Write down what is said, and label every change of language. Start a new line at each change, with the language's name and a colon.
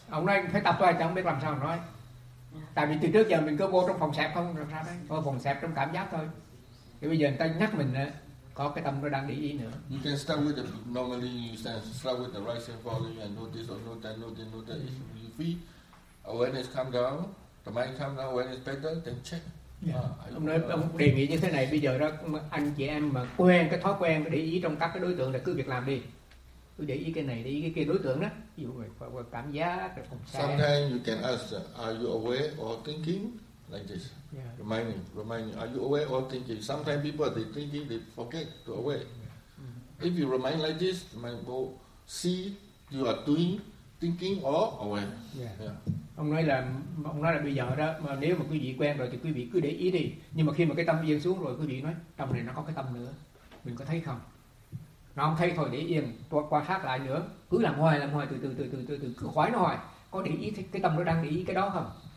Vietnamese: Hôm nay phải tập tôi chẳng biết làm sao nói. Tại vì từ trước giờ mình cứ vô trong phòng sẹp không làm sao đấy. Vô phòng sẹp trong cảm giác thôi. Thì bây giờ người ta nhắc mình có cái tâm nó đang để ý nữa.
English: You can start with the normally you start with the rising falling and notice or note that note and note that. If you feel awareness come down, the mind come down, awareness better, then check. Yeah.
Vietnamese: Ông nói ông đề nghị như thế này, bây giờ đó anh chị em mà quen cái thói quen để ý trong các cái đối tượng là cứ việc làm đi, cứ để ý cái này, để ý cái kia đối tượng đó, ví dụ về cảm giác rồi phòng xa.
English: Sometimes you can ask, are you aware or thinking like this? Yeah. Reminding, are you aware or thinking? Sometimes people they thinking they forget to aware. Yeah. If you remind like this, the mind go see you are doing thinking or aware. Yeah.
Vietnamese: Ông nói là bây giờ đó mà nếu mà quý vị quen rồi thì quý vị cứ để ý đi, nhưng mà khi mà cái tâm yên xuống rồi quý vị nói trong này nó có cái tâm nữa, mình có thấy không? Nó không thấy thôi để yên, tôi quan sát lại nữa, cứ làm hoài từ từ cứ khoái nó hoài, có để ý cái tâm nó đang để ý cái đó không?